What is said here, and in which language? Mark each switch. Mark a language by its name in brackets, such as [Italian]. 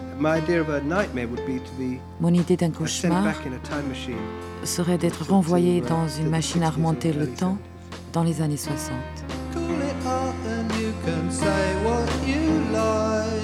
[English] My idea of a nightmare would be to be [French] mon idée d'un cauchemar [English] back in a time machine, [French] serait d'être renvoyé dans une machine à remonter le temps dans les années 60. [English] Call it up and you can say what you like.